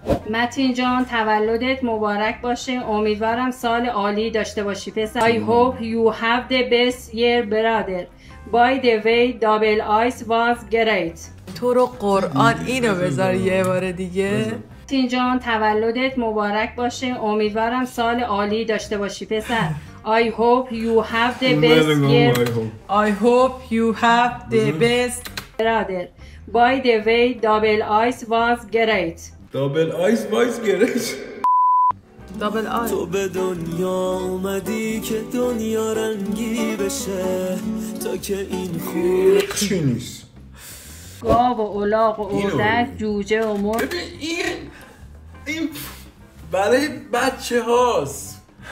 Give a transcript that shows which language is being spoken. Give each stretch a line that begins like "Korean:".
Persian: متین جان تولدت مبارک باشه، امیدوارم سال عالی داشته باشی پسر.
English: I hope you have the best year brother. By the way, double ice was great.
Persian: تو رو قرآن اینو بذار یه بار دیگه. متین جان تولدت مبارک باشه، امیدوارم سال عالی داشته باشی پسر.
English: I hope you have the best year. I hope you have the best brother. By the way, double ice was great. Double ice was great. Double ice.
Persian: تو به دنیا اومدی که دنیا رنگی بشه، تا که این خوب چی نیست؟ گاو و الاغ و اردک، جوجه و مرغ. ببین این برای بچه هاست.